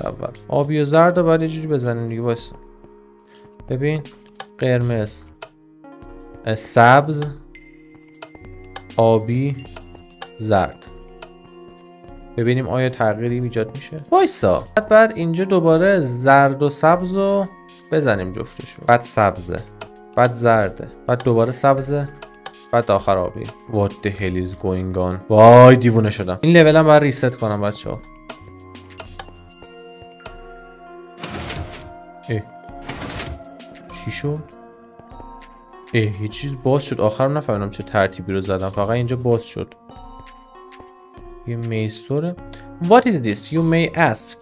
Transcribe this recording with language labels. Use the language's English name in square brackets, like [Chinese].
[Persian] اول آبی و زرد رو باید یه جوری بزنیم دیگه. باز ببین قرمز سبز آبی زرد ببینیم آیا تغییری ایجاد میشه. وایسا بعد اینجا دوباره زرد و سبز رو بزنیم جفتشو. بعد سبزه بعد زرده، بعد دوباره سبزه، بعد آخر آبی. [English] What the hell is going on؟ [Persian] وای دیوونه شدم. این لول هم باید ریست کنم بچه ها. چی شد؟ هیچ چیز باز شد. آخرم نفهمیدم چه ترتیبی رو زدم. فقط اینجا باز شد. یه میسوره. [English] What is this? You may ask.